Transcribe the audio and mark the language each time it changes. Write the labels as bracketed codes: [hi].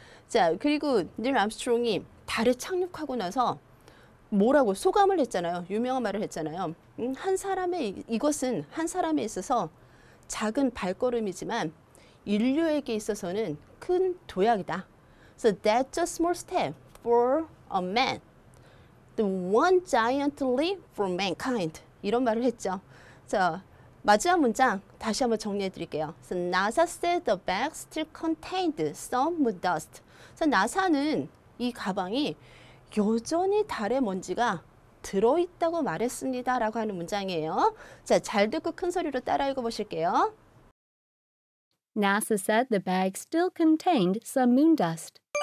[ko] 자, 그리고 Neil Armstrong이 달에 착륙하고 나서 뭐라고 소감을 했잖아요. 유명한 말을 했잖아요. 한 사람의, 이것은 한 사람에 있어서 작은 발걸음이지만 인류에게 있어서는 큰 도약이다. [en] So that's a small step for a man. The one giant leap for mankind. [ko] 이런 말을 했죠. 자, 마지막 문장 다시 한번 정리해 드릴게요. [en] So NASA said the bag still contained some moon dust. [ko] So NASA는 이 가방이 여전히 달의 먼지가 들어있다고 말했습니다. 라고 하는 문장이에요. 자, 잘 듣고 큰 소리로 따라 읽어보실게요. [en] NASA said the bag still contained some moon dust.